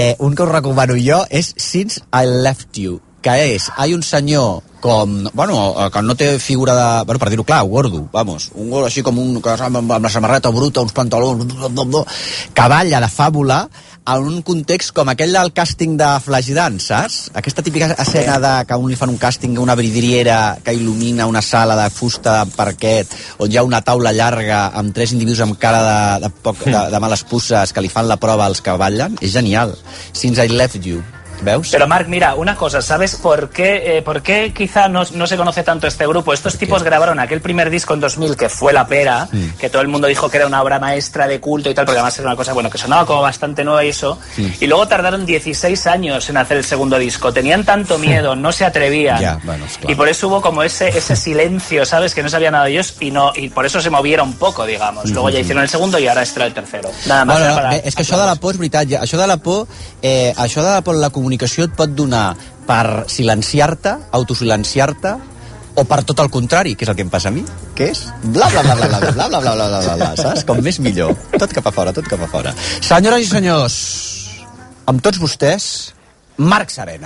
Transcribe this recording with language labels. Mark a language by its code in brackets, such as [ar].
[ca] Un que us recomano jo és Since I Left You, que és, hi ha un senyor com, bueno, que no té figura de, bueno, per dir-ho clar, [es] gordo, vamos, un gordo [ca] així com un, amb la samarreta bruta, uns pantalons, que balla de fàbula en un context com aquell del càsting de Flashdance, saps? Aquesta típica escena de que un li fan un càsting a una vidriera que il·lumina una sala de fusta amb parquet, on hi ha una taula llarga amb tres individus amb cara de males puces que li fan la prova als que ballen, és genial. Since I Left You. ¿Veus? [es] Pero Marc, mira, una cosa, ¿sabes por qué quizá no se conoce tanto este grupo? Estos tipos grabaron aquel primer disco en 2000 que fue la pera, que todo el mundo dijo que era una obra maestra de culto y tal, porque además era una cosa, bueno, que sonaba como bastante nueva y eso, y luego tardaron 16 años en hacer el segundo disco. Tenían tanto miedo, no se atrevían. Ya, bueno, claro. Y por eso hubo como ese silencio, ¿sabes? Que no sabía nada de ellos y por eso se movieron poco, digamos. Luego ya hicieron el segundo y ahora está el tercero. Nada más. Bueno, para, es que eso de la por es verdad, eso de la por, la comunidad [ca] comunicació et pot donar per silenciar-te, autosilenciar-te, o per tot el contrari, que és el que em passa a mi, que és bla bla bla bla bla bla bla bla bla bla bla bla, saps? Com més millor. Tot cap a fora, tot cap a fora. Senyores i senyors, amb tots vostès, Marc Serena.